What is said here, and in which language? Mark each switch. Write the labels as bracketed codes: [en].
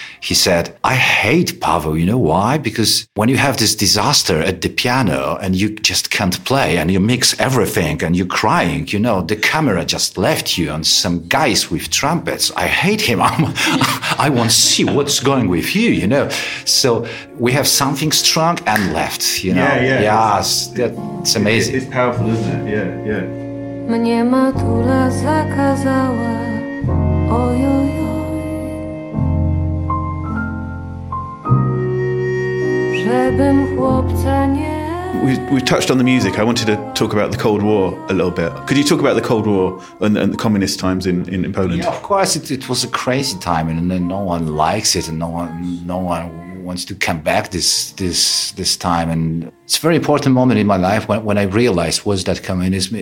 [en] He said, "I hate Pavel. You know why? Because when you have this disaster at the piano and you just can't play and you mix everything and you're crying, you know, the camera just left you and some guys with trumpets. I hate him. I want to see what's going with you, you know. So we have something strong and left, you know." Yeah, yeah. Yes, that's amazing. It's powerful, isn't it? [pl] Mnie matura zakazała, oj, oj, oj, żebym chłopca nie. [en] We've touched on the music. I wanted to talk about the Cold War a little bit. Could you talk about the Cold War and the communist times in Poland? Yeah, of course. It was a crazy time, and no one likes it, and no one wants to come back this time. And it's a very important moment in my life when I realized was that communism.